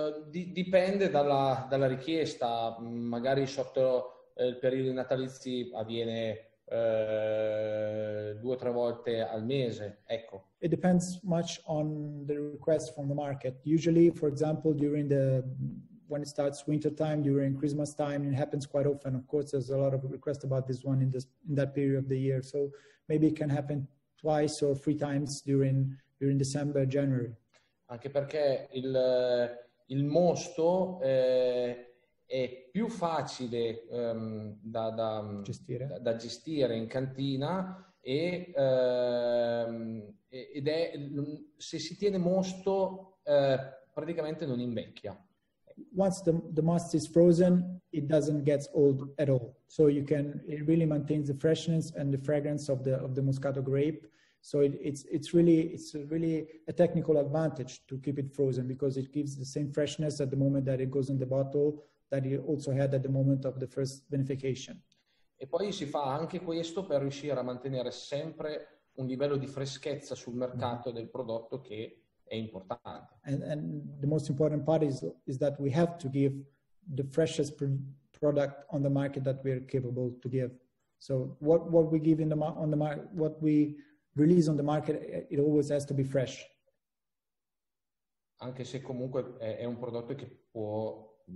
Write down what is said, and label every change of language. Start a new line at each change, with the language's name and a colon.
Italian: Dipende dalla richiesta, magari sotto il periodo natalizio avviene due o tre volte al mese, ecco.
English: It depends much on the request from the market. Usually, for example, during the when it starts winter time, during Christmas time, it happens quite often. Of course, there's a lot of requests about this one in that period of the year. So maybe it can happen twice or three times during December, January.
Italian: Anche perché il mosto è più facile da gestire in cantina ed è, se si tiene mosto praticamente non invecchia.
English: Once the must is frozen, it doesn't get old at all. So you can, it really maintains the freshness and the fragrance of the Moscato grape. So it's really a technical advantage to keep it frozen, because it gives the same freshness at the moment that it goes in the bottle that you also had at the moment of the first vinification.
Italian: E poi si fa anche questo per riuscire a mantenere sempre un livello di freschezza sul mercato del prodotto, che è importante.
English: And the most important part is that we have to give the freshest product on the market that we are capable to give. So what we give what we release on the market, it always has to be fresh.
Italian: Anche se comunque è un prodotto che può